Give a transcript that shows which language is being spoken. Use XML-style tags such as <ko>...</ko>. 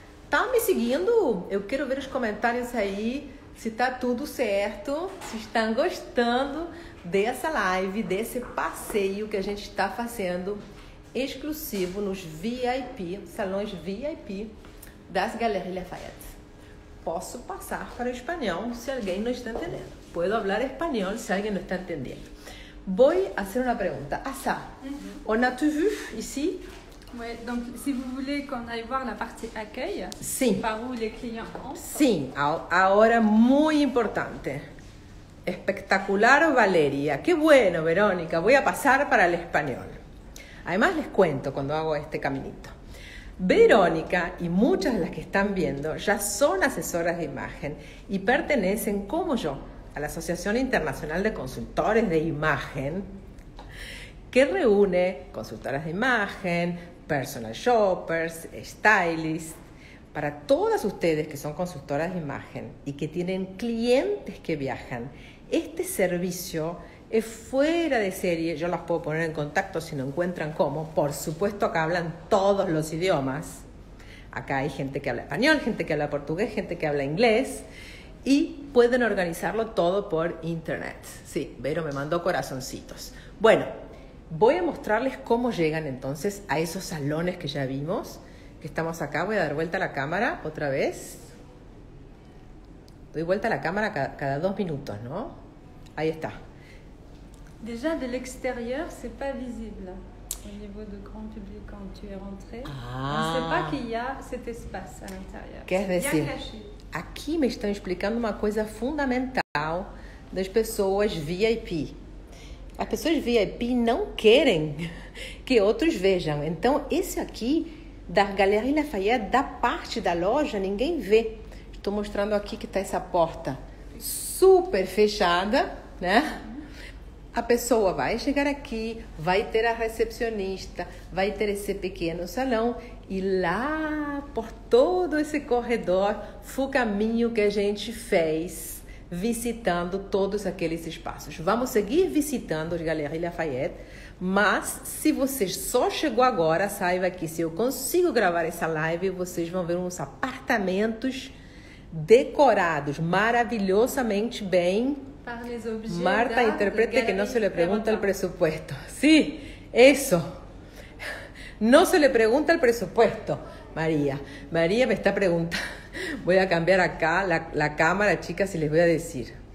<pt>Tá me seguindo? Eu quero ver os comentários aí, se tá tudo certo, se estão gostando dessa live, desse passeio que a gente está fazendo exclusivo nos VIP, salões VIP das Galeries Lafayette. Posso passar para o espanhol se alguém não está entendendo.</pt> <es>Puedo hablar</es> <pt>espanhol se alguém não está entendendo. Vou fazer uma pergunta.</pt> <fr>Assa, on a-tu vu ici? Oui, donc si vous voulez qu'on aille voir la partie accueil,</fr> <pt>sim.</pt> <fr>Par où les clients entrent.</fr> <pt>Sim, a hora muito importante. Espectacular, Valeria.</pt> <es>Que bueno, Verónica.</es> <pt>Vou passar para o espanhol.</pt> <es>Además, les cuento quando hago este caminito. Verónica y muchas de las que están viendo ya son asesoras de imagen y pertenecen, como yo, a la Asociación Internacional de Consultores de Imagen, que reúne consultoras de imagen, personal shoppers, stylists. Para todas ustedes que son consultoras de imagen y que tienen clientes que viajan, este servicio es fuera de serie. Yo las puedo poner en contacto si no encuentran cómo. Por supuesto, acá hablan todos los idiomas. Acá hay gente que habla español, gente que habla portugués, gente que habla inglés. Y pueden organizarlo todo por internet. Sí, Vero me mandó corazoncitos. Bueno, Voy a mostrarles cómo llegan entonces a esos salones que ya vimos, que estamos acá. Voy a dar vuelta a la cámara otra vez. Doy vuelta a la cámara cada dos minutos, ¿no? Ahí está.</es> <fr>Déjà de l'extérieur, c'est pas visible. Au niveau de grand public, quand tu es rentré, on ne sait pas qu'il y a cet espace à l'intérieur.</fr> <pt>Quer dizer, aqui me estão explicando uma coisa fundamental das pessoas VIP. As pessoas VIP não querem que outros vejam. Então, esse aqui da Galeria Lafayette, da parte da loja, ninguém vê. Estou mostrando aqui que está essa porta super fechada, né? A pessoa vai chegar aqui, vai ter a recepcionista, vai ter esse pequeno salão e lá por todo esse corredor foi o caminho que a gente fez visitando todos aqueles espaços. Vamos seguir visitando a Galeria Lafayette, mas se você só chegou agora, saiba que se eu consigo gravar essa live, vocês vão ver uns apartamentos decorados maravilhosamente bem.</pt> <es>Marta, interprete que no se le pregunta el presupuesto. Sí, eso. No se le pregunta el presupuesto, María. María me está preguntando. Voy a cambiar acá la cámara, chicas, y les voy a decir.</es>